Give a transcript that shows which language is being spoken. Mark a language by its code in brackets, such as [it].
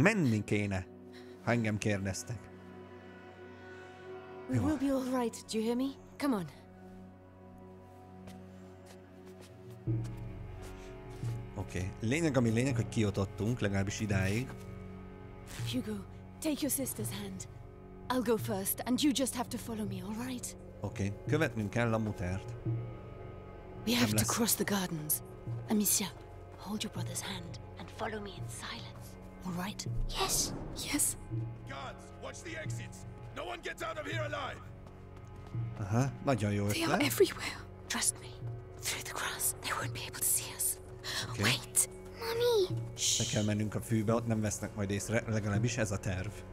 [hu] Menni kéne. Ha engem kérdeztek. [en] We will be all right. Do you hear me? Come on. Oké. Okay. [hu] Lényeg, ami lényeg, hogy kijutottunk, legalábbis idáig. [en] Hugo, take your sister's hand. I'll go first, and you just have to follow me, all right? Oké. Okay. [hu] Követnünk kell a mutert. [en] We have to cross the gardens. Amicia, hold your brother's hand and follow me in silence, all right? Yes. Yes. Guards, watch the exits. No one gets out of here alive. [hu] Aha, nagyon jó ötlet. [en] They are everywhere. Trust me. Through the grass, they won't be able to see us. Okay. Wait! [hu] Mami! Ne kell mennünk a fűbe, ott nem vesznek majd észre, legalábbis ez a terv.